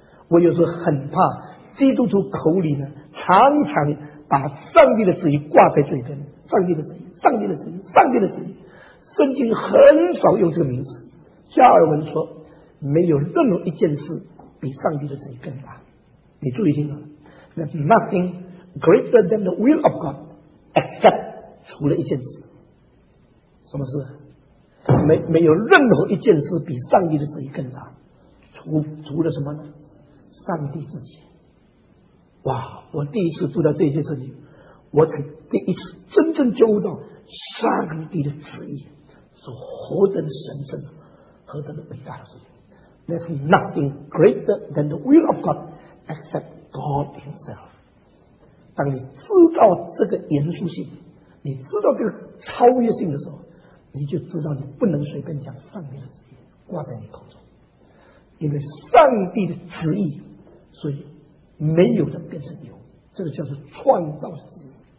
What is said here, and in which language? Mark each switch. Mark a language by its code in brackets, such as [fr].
[zh] 我有时候很怕基督徒口里呢常常把上帝的旨意挂在嘴边，上帝的旨意，上帝的旨意，上帝的旨意。圣经很少用这个名词。加尔文说，没有任何一件事比上帝的旨意更大。你注意听啊， [en] There's nothing greater than the will of God except [zh] 除了一件事。什么事？没有任何一件事比上帝的旨意更大，除了什么呢？上帝自己。哇，我第一次读到这些圣经，我才第一次真正觉悟到上帝的旨意是何等神圣，何等的伟大的事情。 [en] There's nothing greater than the will of God except God himself。 [zh] 当你知道这个严肃性，你知道这个超越性的时候，你就知道你不能随便讲上帝的旨意挂在你口中，因为上帝的旨意，所以没有的变成有，这个叫做创造旨意。